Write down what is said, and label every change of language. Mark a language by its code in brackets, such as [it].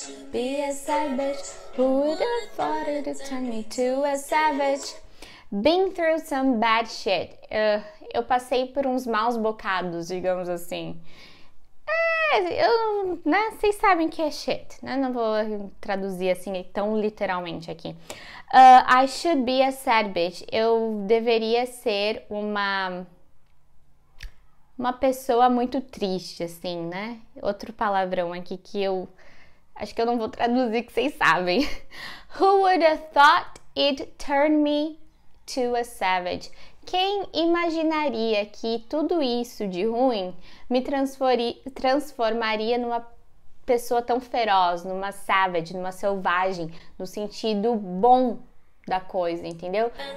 [en] Be a savage, who would have thought it would turn me to a savage. Been through some bad shit. [pt] Eu passei por uns maus bocados, digamos assim. Vocês sabem que é shit, né? Não vou traduzir assim tão literalmente aqui. [en] I should be a sad bitch. [pt] Eu deveria ser uma pessoa muito triste, assim, né? Outro palavrão aqui que eu acho que eu não vou traduzir, que vocês sabem. [en] Who would have thought it turned me to a savage? [pt] Quem imaginaria que tudo isso de ruim me transformaria numa pessoa tão feroz, numa savage, numa selvagem, no sentido bom da coisa, entendeu?